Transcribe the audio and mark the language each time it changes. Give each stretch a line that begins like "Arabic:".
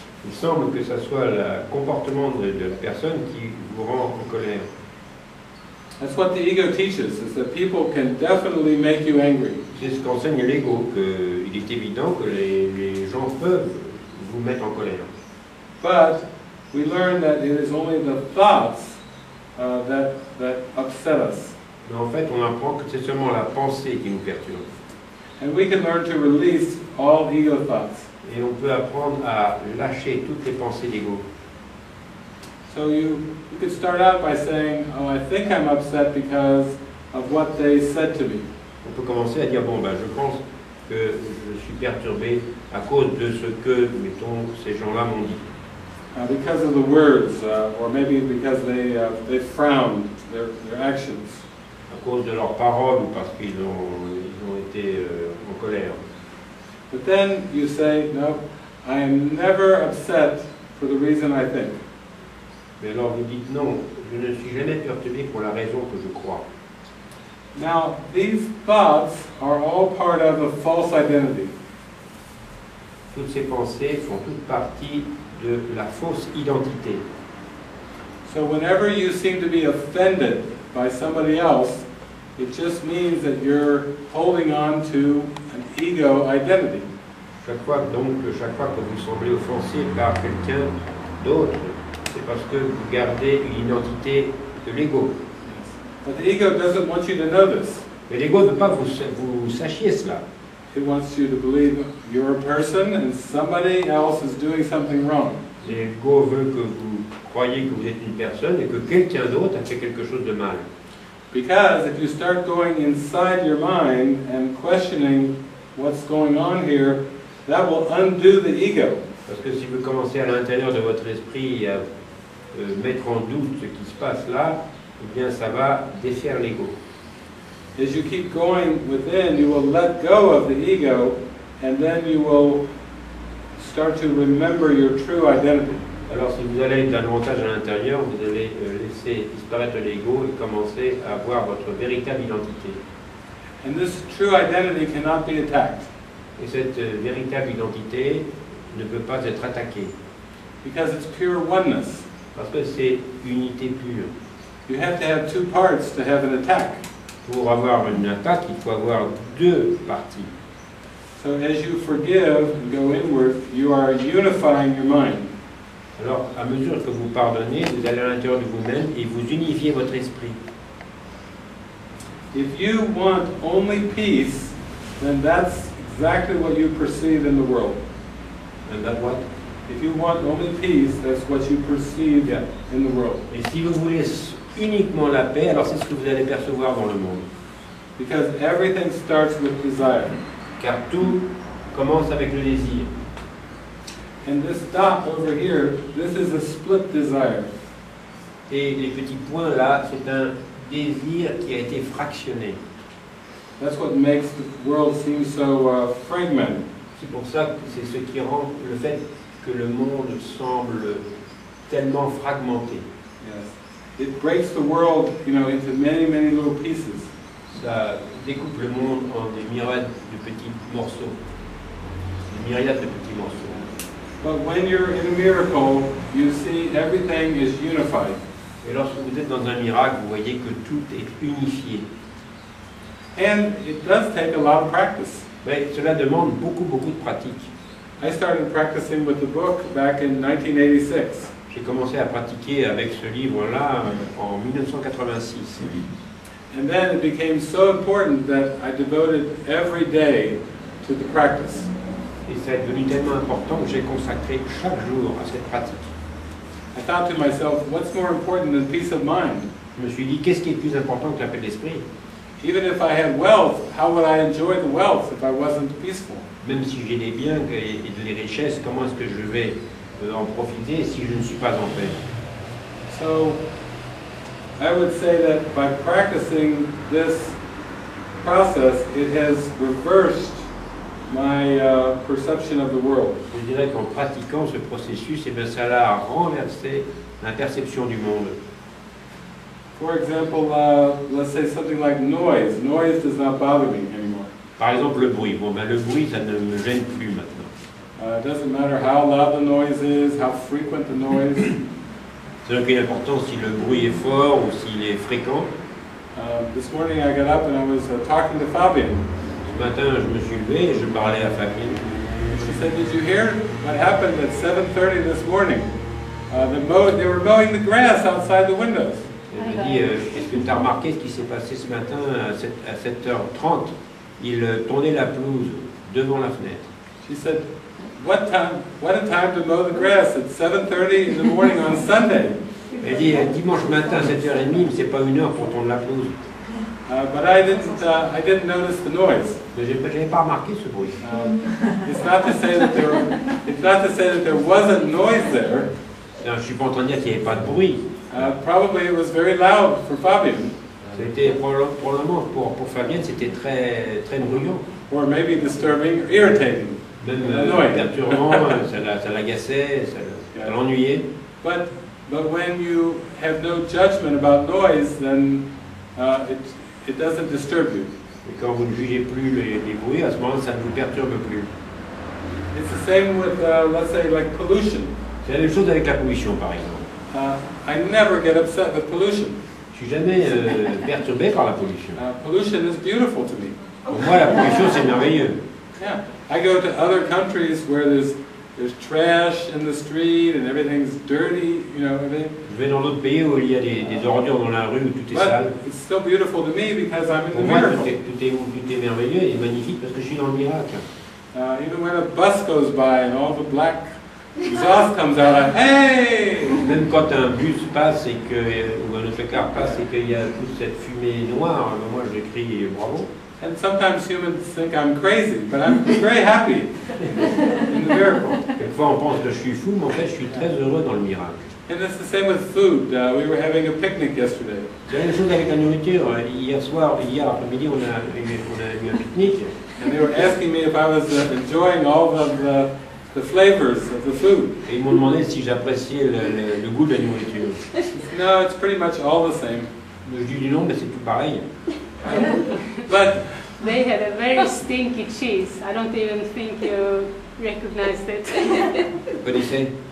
French: Il semble que ce soit le comportement de la personne qui vous rend en colère.
English: That's what the ego teaches, is that people can definitely make you angry.
French: C'est ce qu'enseigne l'ego, qu'il est évident que les gens peuvent vous mettre en colère.
English: But we learn that it is only the thoughts that upset us.
French: Mais en fait, on apprend que c'est seulement la pensée qui nous perturbe.
English: And we can learn to release all ego thoughts.
French: Et on peut apprendre à lâcher toutes les pensées d'ego.
English: So you could start out by saying, oh, I think I'm upset because of what they said to me.
French: On peut commencer à dire, bon, ben, je pense que je suis perturbé à cause de ce que, mettons, ces gens-là m'ont dit.
English: Because of the words, or maybe because they frowned their actions.
French: À cause de leurs paroles, ou parce qu'ils ont été en colère.
English: But then you say, no, I am never upset for the reason I think.
French: Mais alors vous dites, non, je ne suis jamais perturbé pour la raison que je crois.
English: Now, these thoughts are all part of a false identity.
French: Toutes ces pensées font toute partie de la fausse identité.
English: So whenever you seem to be offended by somebody else, it just means that you're holding on to an ego identity.
French: Chaque fois que vous semblez offensé par quelqu'un d'autre, c'est parce que vous gardez une identité de l'ego.
English: But the ego doesn't want you to know this.
French: Mais l'ego ne veut pas que vous sachiez cela.
English: It wants you to believe you're a person and somebody else is doing something wrong.
French: L'ego veut que vous croyez que vous êtes une personne et que quelqu'un d'autre a fait quelque chose de mal.
English: Because if you start going inside your mind and questioning what's going on here, that will undo the ego.
French: Parce que si vous commencez à l'intérieur de votre esprit à mettre en doute ce qui se passe là, eh bien ça va défaire l'ego.
English: As you keep going within, you will let go of the ego, and then you will start to remember your true identity.
French: Alors si vous allez davantage à l'intérieur, vous allez laisser disparaître l'ego et commencer à voir votre véritable identité.
English: And this true identity cannot be attacked.
French: Et cette véritable identité ne peut pas être attaquée.
English: Because it's pure oneness.
French: Parce que c'est unité pure.
English: You have to have two parts to have an attack.
French: Pour avoir une attaque, il faut avoir deux parties.
English: So as you forgive and go inward, you are unifying your mind.
French: Alors, à mesure que vous pardonnez, vous allez à l'intérieur de vous-même et vous unifiez votre esprit.
English: If you want only peace, then that's exactly what you perceive in the world. And that what? If you want only peace, that's what you perceive in the world.
French: Et si vous voulez uniquement la paix, alors c'est ce que vous allez percevoir dans le monde.
English: Because everything starts with desire.
French: Car tout commence avec le désir.
English: And this dot over here, this is a split desire.
French: Et les petits points là, c'est un désir qui a été fractionné.
English: That's what makes the world seem so fragmented.
French: C'est pour ça que c'est ce qui rend le fait que le monde semble tellement fragmenté.
English: Yes. It breaks the world, you know, into many, many little pieces.
French: Ça découpe le monde en des myriades de petits morceaux. Des myriades de petits morceaux.
English: But when you're in a miracle, you see everything is unified.
French: Et lorsque vous êtes dans un miracle, vous voyez que tout est unifié.
English: And it does take a lot of practice.
French: Mais cela demande beaucoup, beaucoup de pratique.
English: I started practicing with the book back in 1986.
French: J'ai commencé à pratiquer avec ce livre-là en 1986.
English: And then it became so important that I devoted every day to the practice.
French: Et ça est devenu tellement important que j'ai consacré chaque jour à cette pratique.
English: I thought to myself, what's more important than peace of mind?
French: Je me suis dit, qu'est-ce qui est plus important que la paix d'esprit?
English: Even if I had wealth, how would I enjoy the wealth if I wasn't peaceful?
French: Même si j'ai des biens et des richesses, comment est-ce que je vais en profiter si je ne suis pas en paix?
English: So, I would say that by practicing this process, it has reversed my perception of the world.
French: Je dirais qu'en pratiquant ce processus, et bien ça a renversé ma perception du monde.
English: For example, let's say something like noise. Noise does not bother me anymore.
French: Par exemple, le bruit. Bon, ben le bruit, ça ne me gêne plus maintenant.
English: It doesn't matter how loud the noise is, how frequent the noise.
French: Ce n'est plus important si le bruit est fort ou s'il est fréquent.
English: This morning I got up and I was talking to Fabienne.
French: Ce matin, je me suis levé et je parlais à Fabienne.
English: She said, did you hear what happened at 7:30 this morning? They were mowing the grass outside the windows.
French: Elle me dit, est-ce que tu as remarqué ce qui s'est passé ce matin à 7h30? Ils tondaient la pelouse devant la fenêtre.
English: She said, what a time to mow the grass at 7:30 in the morning on Sunday.
French: Elle dit, dimanche matin à 7h30, c'est pas une heure pour tondre la pelouse.
English: But I didn't notice the noise.
French: Mais j'avais pas remarqué ce bruit.
English: It's not to say that there wasn't noise there.
French: Non, je suis pas en train de dire qu'il y avait pas de bruit.
English: Probably it was very loud for Fabien.
French: C'était probablement pour Fabien, c'était très très bruyant.
English: Or maybe disturbing, irritating.
French: ça l'agaçait, ça l'ennuyait.
English: But when you have no judgment about noise, then it it doesn't disturb you.
French: Et quand vous ne jugez plus les bruits, à ce moment, ça ne vous perturbe plus.
English: It's the same with, let's say, like pollution.
French: C'est la même chose avec la pollution, par exemple.
English: I never get upset with pollution.
French: Je suis jamais perturbé par la pollution.
English: Pollution is beautiful to me.
French: Pour moi, la pollution, c'est merveilleux.
English: Yeah, I go to other countries where there's trash in the street and everything's dirty, you know.
French: Je vais dans d'autres pays où il y a des ordures dans la rue où tout est sale.
English: It's still beautiful to me because I'm in
French: pour
English: the
French: moi,
English: miracle.
French: Tout est merveilleux et magnifique parce que je suis dans le miracle.
English: Even when a bus goes by and all the black exhaust comes out, like, hey!
French: Même quand un bus passe et que ou un autre car passe et qu'il y a toute cette fumée noire, moi je crie bravo.
English: And sometimes humans think I'm crazy, but I'm very happy in the miracle.
French: Quelquefois on pense que je suis fou, mais en fait je suis très heureux dans le miracle.
English: And it's the same with food. We were having a picnic yesterday.
French: La même chose avec la nourriture. Hier après-midi, on a eu un pique-nique.
English: And they were asking me if I was enjoying all of the flavors of the food.
French: Et ils m'ont demandé si j'appréciais le goût de la nourriture.
English: No, it's pretty much all the same.
French: Je dis non, mais c'est tout pareil.
English: But they had a very stinky cheese. I don't even think you recognized it. What did you say?